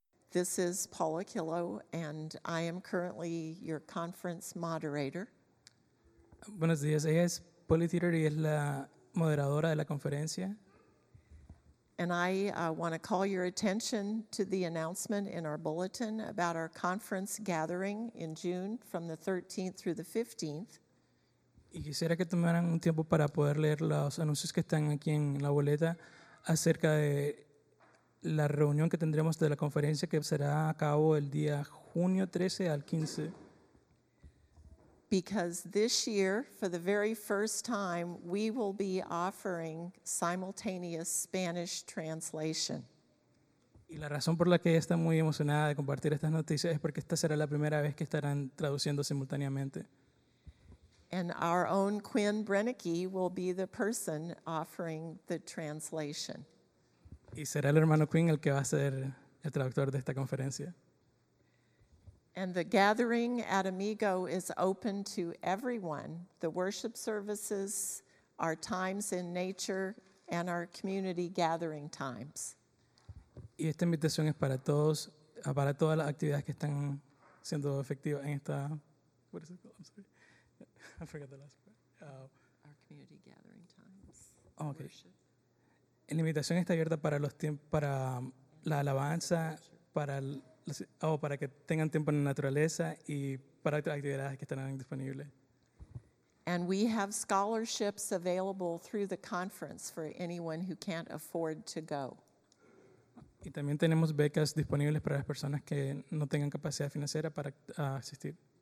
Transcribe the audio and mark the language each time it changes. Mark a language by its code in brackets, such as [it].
[en] This is Paul Aquilo, and I am currently your conference moderator. [es] Buenos días, ella es Poli Theater y es la moderadora de la conferencia. [en] And I want to call your attention to the announcement in our bulletin about our conference gathering in June from the 13th through the 15th. [es] Y quisiera que tomaran un tiempo para poder leer los anuncios que están aquí en la boleta acerca de la reunión que tendremos de la conferencia que será a cabo el día junio 13 al 15. [en] Because this year, for the very first time, we will be offering simultaneous Spanish translation. [es] Y la razón por la que ella está muy emocionada de compartir estas noticias es porque esta será la primera vez que estarán traduciendo simultáneamente. [en] And our own Quinn Brennecke will be the person offering the translation. [es] Y será el hermano Quinn el que va a ser el traductor de esta conferencia. [en] And the gathering at Amigo is open to everyone. The worship services, our times in nature, and our community gathering times. [es] Y esta invitación es para todos, para todas las actividades que están siendo efectivas en esta... [en] What is it called? I'm sorry. I forgot the last part. Our community gathering times. Okay. Worship. [es] La invitación está abierta para los para la alabanza, para el... o para que tengan tiempo en la naturaleza y para otras actividades que estarán disponibles. [en] And we have scholarships available through the conference for anyone who can't afford to go. [es] Y también tenemos becas disponibles para las personas que no tengan capacidad financiera para asistir.